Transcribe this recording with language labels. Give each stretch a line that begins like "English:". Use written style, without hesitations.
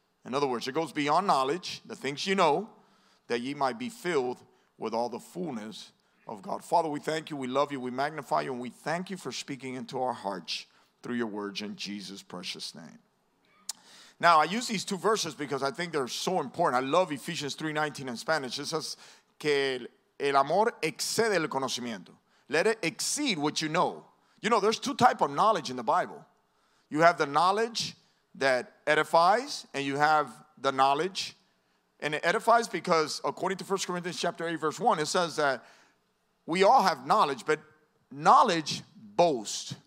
English: In other words, it goes beyond knowledge, the things you know, that ye might be filled with all the fullness of God. Father, we thank you, we love you, we magnify you, and we thank you for speaking into our hearts through your words in Jesus' precious name. Now, I use these two verses because I think they're so important. I love Ephesians 3:19 in Spanish. It says,
Spanish: que el amor excede el conocimiento.
English: Let it exceed what you know. You know, there's two types of knowledge in the Bible. You have the knowledge that edifies, and you have the knowledge. And it edifies because, according to 1 Corinthians chapter 8, verse 1, it says that we all have knowledge, but knowledge boasts.